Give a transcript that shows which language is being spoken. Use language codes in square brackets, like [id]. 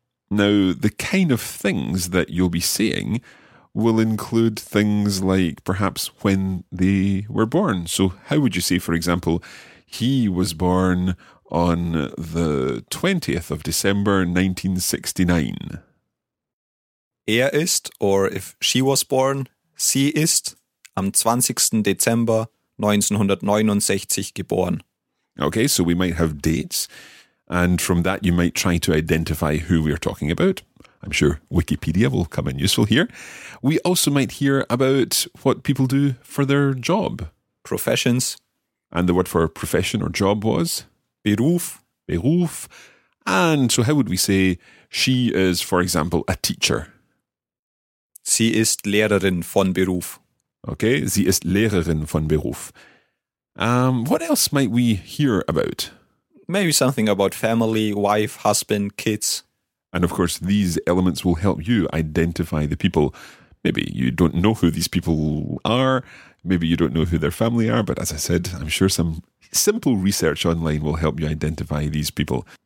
[en] Now, the kind of things that you'll be saying will include things like perhaps when they were born. So how would you say, for example, he was born on the 20th of December, 1969. [de] Er ist, [en] or if she was born, [de] sie ist am 20. Dezember 1969 geboren. [en] Okay, so we might have dates, and from that you might try to identify who we're talking about. I'm sure Wikipedia will come in useful here. We also might hear about what people do for their job. Professions. And the word for profession or job was? [de] Beruf. Beruf. [en] And so how would we say she is, for example, a teacher? [de] Sie ist Lehrerin von Beruf. Okay, sie ist Lehrerin von Beruf. [en] What else might we hear about? Maybe something about family, wife, husband, kids. And of course, these elements will help you identify the people. Maybe you don't know who these people are. Maybe you don't know who their family are. But as I said, I'm sure some simple research online will help you identify these people.